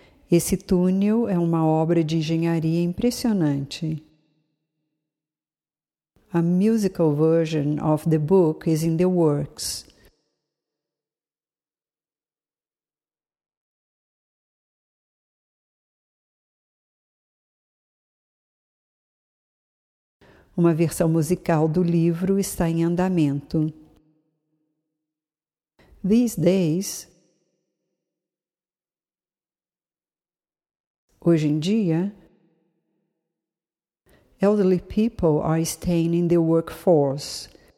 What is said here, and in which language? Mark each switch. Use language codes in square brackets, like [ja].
[pt] Esse túnel é uma obra de engenharia impressionante. [en] A musical version of the book is in the works. [pt] Uma versão musical do livro está em andamento. [en] These days, [pt] hoje em dia, [en] elderly people are staying in the workforce.